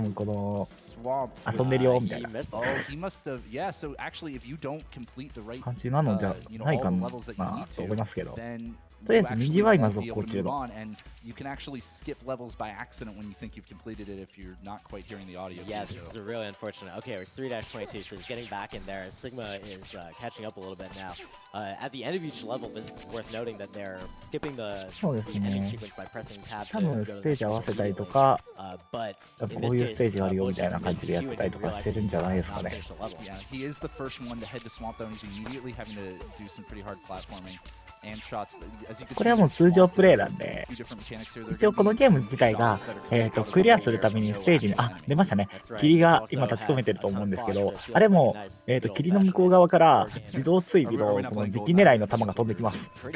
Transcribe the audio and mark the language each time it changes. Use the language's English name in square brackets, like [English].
[Japanese] 分この遊んでるよみたいな。感じなの。なのじゃないかな、まあ、と思いますけど、とりあえず右は今続行中の。 [English] You can actually skip levels by accident when you think you've completed it if you're not quite hearing the audio. Yeah, this is really unfortunate. Okay, it was 3-22, so he's getting back in there. Sigma is catching up a little bit now. At the end of each level, this is worth noting that they're skipping the ending sequence by pressing tab. [Japanese] 多分ステージ合わせたりとか、こういうステージあるよみたいな感じでやってたりとかしてるんじゃないですかね。 [English] He is the first one to head to Swamp Zone. He's immediately having to do some pretty hard platforming. [Japanese] これはもう通常プレイなんで、一応このゲーム自体が、クリアするためにステージに、あ、出ましたね、霧が今立ち込めてると思うんですけど、あれも、霧の向こう側から自動追尾のその磁気狙いの弾が飛んできます。